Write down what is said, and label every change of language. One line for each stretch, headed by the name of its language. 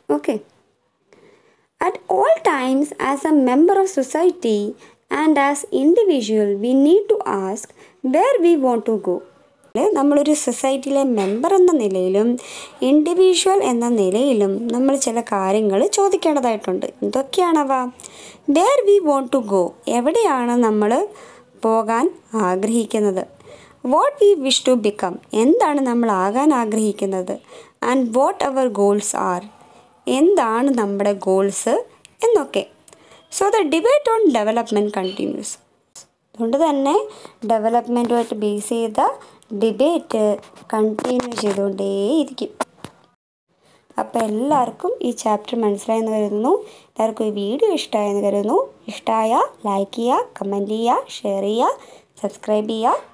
English: Okay, at all times as a member of society and as individual we need to ask where we want to go.
Malayalam: നമ്മളൊരു സൊസൈറ്റിയിലെ member എന്ന നിലയിലും individual എന്ന നിലയിലും നമ്മൾ ചില കാര്യങ്ങൾ ചോദിക്കേണ്ടതായിട്ടുണ്ട്. എന്തൊക്കെയാണവ?
English: where we want to go,
Malayalam: എവിടെയാണ് നമ്മൾ പോകാൻ ആഗ്രഹിക്കുന്നത്?
English: What we wish to become,
Malayalam: എന്താണ് നമ്മൾ ആകാൻ ആഗ്രഹിക്കുന്നത്?
English: And what our goals are,
Malayalam: എന്താണ് നമ്മുടെ goals എന്നൊക്കെ.
English: So the debate on development continues.
Malayalam: അതുകൊണ്ട് തന്നെ ഡെവലപ്മെൻറ്റുമായിട്ട് ബേസ് ചെയ്ത ഡിബേറ്റ് കണ്ടിന്യൂ ചെയ്തുകൊണ്ടേയിരിക്കും. അപ്പോൾ എല്ലാവർക്കും ഈ ചാപ്റ്റർ മനസ്സിലായെന്ന് കരുതുന്നു. എല്ലാവർക്കും ഈ വീഡിയോ ഇഷ്ടമായെന്ന് കരുതുന്നു. ഇഷ്ടമായാൽ ലൈക്ക് ചെയ്യുക, കമൻറ്റ് ചെയ്യുക, ഷെയർ ചെയ്യുക, സബ്സ്ക്രൈബ് ചെയ്യുക.